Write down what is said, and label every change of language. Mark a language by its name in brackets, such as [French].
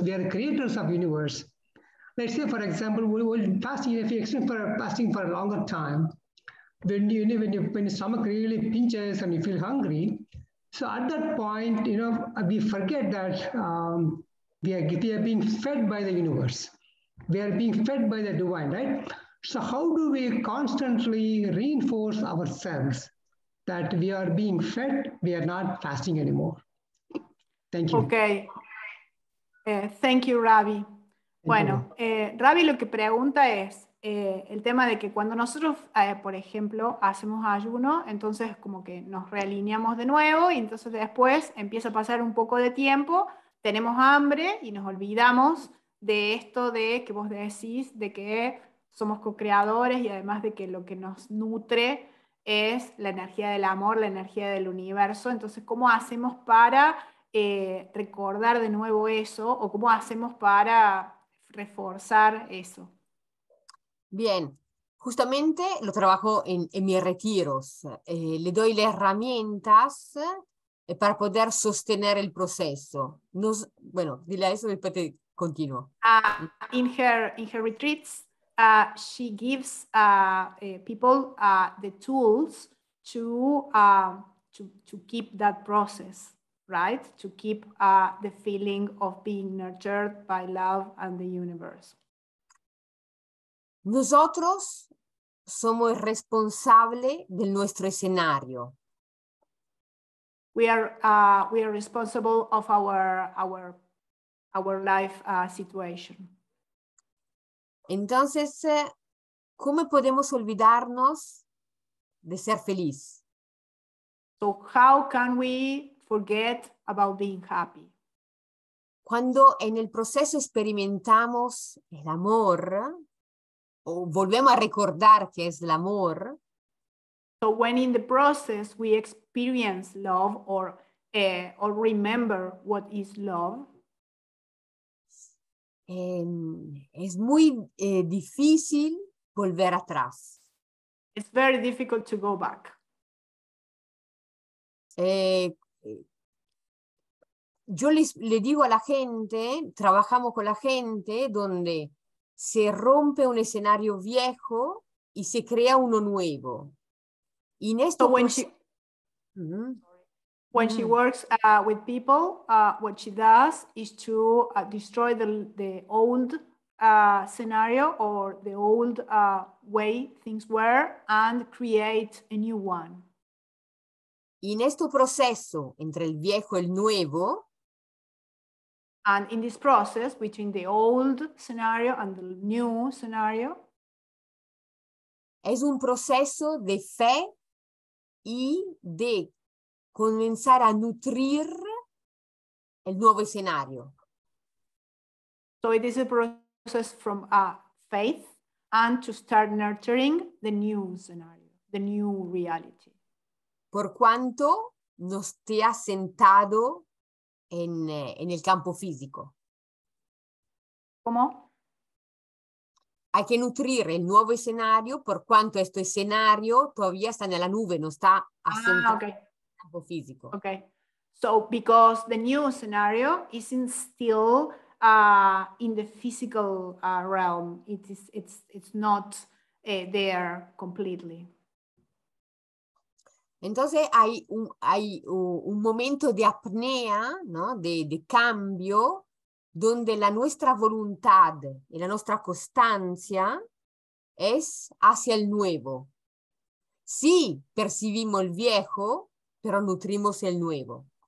[English] We are creators of universe. Let's say, for example, if we extend fasting for a longer time, when your stomach really pinches and you feel hungry, so at that point, you know, we forget that we are being fed by the universe. We are being fed by the divine, right? So how do we constantly reinforce ourselves that we are being fed, we are not fasting anymore? Thank you. Okay. Thank you, Ravi. [Spanish] Bueno, Ravi lo que pregunta es el tema de que cuando nosotros, por ejemplo, hacemos ayuno, entonces como que nos realineamos de nuevo y entonces después empieza a pasar un poco de tiempo, tenemos hambre y nos olvidamos de esto de que vos decís, de que somos co-creadores y además de que lo que nos nutre es la energía del amor, la energía del universo. Entonces, ¿cómo hacemos para recordar de nuevo eso? ¿O cómo hacemos para reforzar eso. Bien. Justamente lo trabajo en mis retiros. Le doy las herramientas para poder sostener el proceso. Nos, bueno, dile eso y después te continúo. [English] In her retreats, she gives people the tools to keep that process, right? To keep the feeling of being nurtured by love and the universe. [Spanish] Nosotros somos responsables de nuestro escenario. [English] We are responsible of our life situation. [Spanish] Entonces, ¿cómo podemos olvidarnos de ser feliz? [English] So how can we forget about being happy? [Spanish] Cuando en el proceso experimentamos el amor, o volvemos a recordar que es el amor. [English] So when in the process we experience love or remember what is love. [Spanish] Es muy difícil volver atrás. [English] It's very difficult to go back. [Spanish] Yo le digo a la gente, trabajamos con la gente donde se rompe un escenario viejo y se crea uno nuevo. Y en esto [English] so when pues, she, mm-hmm. When she works with people, what she does is to destroy the old scenario or the old way things were and create a new one. [Spanish] In este proceso entre el viejo y el nuevo, [English] and in this process between the old scenario and the new scenario, [Spanish] es un proceso de fe y de comenzar a nutrir el nuevo escenario. [English] So it is a process from a faith and to start nurturing the new scenario, the new reality. [Spanish] Por cuanto no esté asentado en el campo físico. ¿Cómo? Hay que nutrir el nuevo escenario por cuanto este escenario todavía está en la nube, no está asentado. [English] Ah, okay. [Spanish] Físico. [English] Okay, so because the new scenario isn't still in the physical realm, it's not there completely. [Spanish] Entonces hay un momento de apnea, no, de cambio, donde la nuestra voluntad y la nuestra constancia es hacia el nuevo. Sí, percibimos el viejo, pero nutrimos el nuevo.